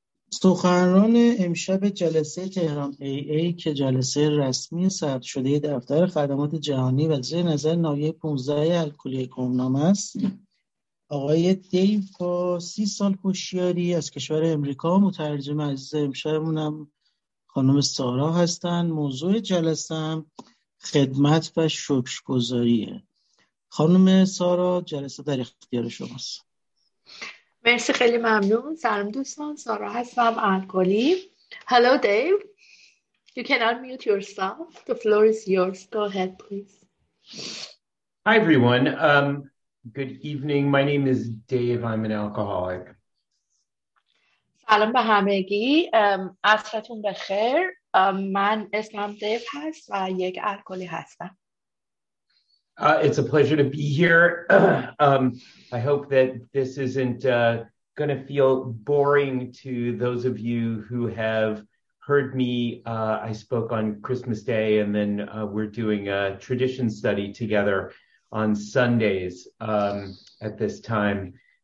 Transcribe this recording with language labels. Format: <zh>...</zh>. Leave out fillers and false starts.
<fa>سخنران امشب جلسه تهران AA که جلسه رسمی ثبت شده دفتر خدمات جهانی و زیر نظر نایه 15 الکلی کنام است، آقای دیو با 30 سال هوشیاری از کشور امریکا، مترجم عزیز امشبمونم خانم سارا هستند. موضوع جلسه هم خدمت و شکرگزاریه. خانم سارا، جلسه در اختیار شماست. مرسی، خیلی ممنون. سلام دوستان، سارا هستم، الکلی.</fa> <en>Hello Dave, you can unmute yourself. The floor is yours. Go ahead, please. Hi everyone. Good evening. My name is Dave. I'm an alcoholic.</en> <fa>سلام به همگی. عصرتون بخیر. من اسمم دیو هست و یک الکلی هستم.</fa> <en>It's a pleasure to be here. I hope that this isn't going to feel boring to those of you who have heard me. I spoke on Christmas Day, and then we're doing a tradition study together on Sundays at this time.</en>